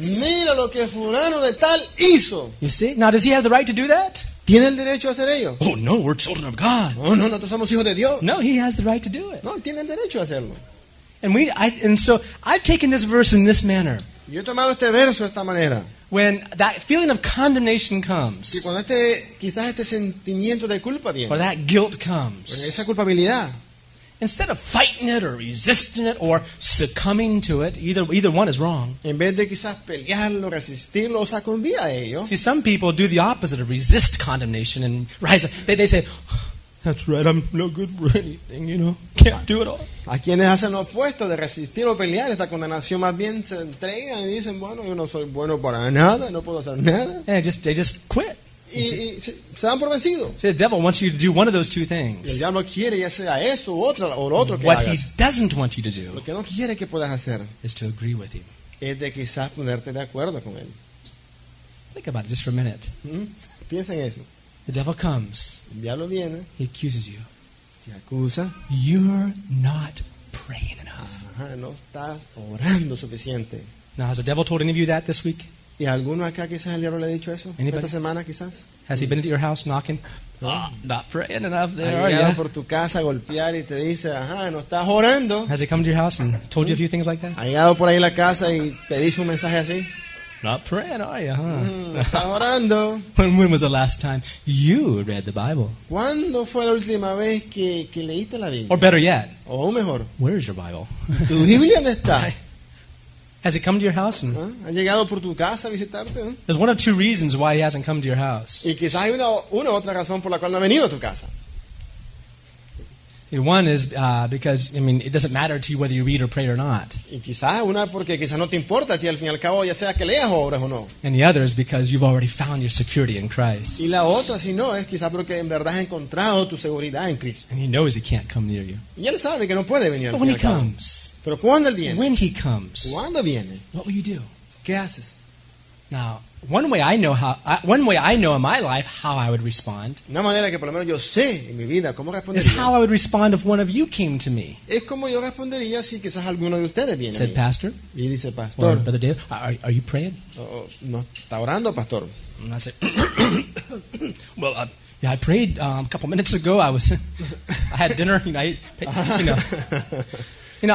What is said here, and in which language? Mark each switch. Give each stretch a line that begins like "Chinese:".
Spanish: Mira lo que fulano de tal hizo.
English: You see? Now, does he have the right to do that?
Spanish: ¿Tiene el derecho a hacer ello?
English: Oh, no, we're children of God.
Spanish: Oh, no, nosotros somos hijos de Dios.
English: No, he has the right to do it.
Spanish: No, tiene el derecho a hacerlo.
English: And so I've taken this verse in this manner.
Spanish: Yo he tomado este verso de esta manera.
English: When that feeling of condemnation comes,
Spanish: y cuando quizás este sentimiento de culpa viene,
English: or that guilt comes,
Spanish: esa culpabilidad,
English: instead of fighting it or resisting it or succumbing to it, either one is wrong.
Spanish: En vez de quizás pelearlo, resistirlo, o sucumbir a ello.
English: See, some people do the opposite of resist condemnation and rise up. They say, oh, that's right, I'm no good for anything, you know, can't do it all.
Spanish: A quienes hacen lo opuesto de resistir o pelear esta condenación, más bien se entregan y dicen, bueno, yo no soy bueno para nada, no puedo hacer nada.
English: And they just quit.
Spanish: Y se dan por vencido.
English: See, the devil wants you to do one of those two things.
Spanish: El diablo quiere ya sea eso o otro, o lo otro que
English: what
Spanish: hagas.
English: He doesn't want you to do,
Spanish: lo que no quiere que puedas hacer,
English: is to agree with him.
Spanish: Es de quizás ponerte de acuerdo con él.
English: Think about it just for a minute.
Spanish: Piensa en eso.
English: The devil comes.
Spanish: El diablo viene.
English: He accuses you.
Spanish: Te acusa.
English: You're not praying enough.
Spanish: Ajá, no estás orando suficiente.
English: Now, has the devil told any of you that this week?
Spanish: ¿Y alguno acá quizás el diablo le ha dicho eso?
English: Anybody?
Spanish: ¿Esta semana quizás?
English: Has he been at your house knocking? Not praying enough there.
Spanish: Ha llegado por tu casa a golpear y te dice, ajá, no estás orando.
English: Has he come to your house and told you a few things like that?
Spanish: ¿Ha llegado por ahí a la casa y te dice un mensaje así?
English: Not praying, are you, huh?
Spanish: Está orando.
English: When was the last time you read the Bible?
Spanish: ¿Cuándo fue la última vez que leíste la Biblia?
English: Or better yet,
Spanish: o mejor,
English: where is your Bible?
Spanish: ¿Tu Biblia dónde está?
English: Has it come to your house? And,
Spanish: ¿ha llegado por tu casa a visitarte?
English: There's one of two reasons why he hasn't come to your house.
Spanish: Y quizás hay una otra razón por la cual no ha venido a tu casa.
English: One is because, I mean, it doesn't matter to you whether you read or pray or not.
Spanish: Y quizás una porque quizás no te importa a ti al fin y al cabo, ya sea que leas o ores o no.
English: And the other is because you've already found your security in Christ.
Spanish: Y la otra, si no, es quizás porque en verdad has encontrado tu seguridad en Cristo.
English: And he knows he can't come near you.
Spanish: Y él sabe que no puede venir al fin y al cabo.
English: But when he comes,
Spanish: pero cuando él viene,
English: when he comes,
Spanish: cuando viene,
English: what will you do?
Spanish: ¿Qué haces?
English: Now, one way I know in my life how I would respond.
Spanish: Una manera que por lo menos yo sé en mi vida cómo respondería.
English: Is how I would respond if one of you came to me.
Spanish: Es como yo respondería si quizás alguno de ustedes viene.
English: Said pastor.
Spanish: Y dice pastor.
English: Or Brother Dale, are you praying?
Spanish: Oh, no, está orando pastor.
English: And I said, well, yeah, I prayed a couple minutes ago. I had dinner, you know.